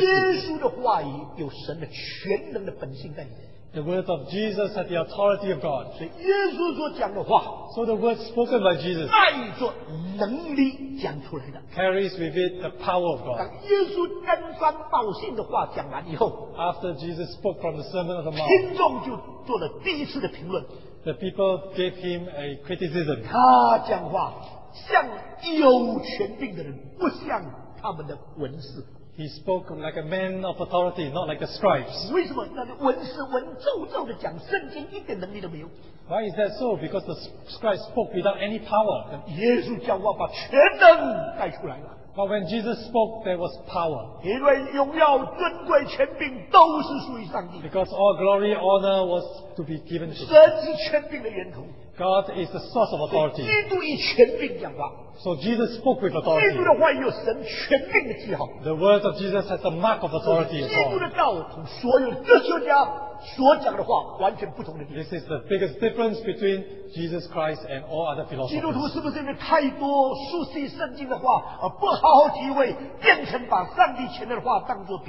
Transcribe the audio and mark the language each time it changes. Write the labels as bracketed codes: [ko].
[zh] 耶稣的话语有神的全能的本性在里面。 [en] The word of Jesus had the authority of God. [zh] 所以耶稣所讲的话, [en] so the word spoken by Jesus [zh] 带着能力讲出来的, [en] carries with it the power of God. [zh] 当耶稣登山报信的话讲完以后, [en] after Jesus spoke from the Sermon of the Mount, [zh] 听众就做了第一次的评论。 [en] The people gave him a criticism. [zh] 他讲话像有权柄的人，不像他们的文士。 [en] He spoke like a man of authority, not like the scribes. [zh] 为什么？那文士文绉绉的讲圣经，一点能力都没有。 [en] Why is that so? Because the scribes spoke without any power. [zh] 耶稣讲话把全能带出来了。 [en] But when Jesus spoke, there was power. [zh] 因为荣耀、尊贵、权柄都是属于上帝。 [en] Because all glory, honor was to be given to him. God is the source of authority. [zh] 基督以权柄讲话。 [en] So Jesus spoke with authority. The words of Jesus has the mark of authority as well. This is the biggest difference between Jesus Christ and all other philosophers.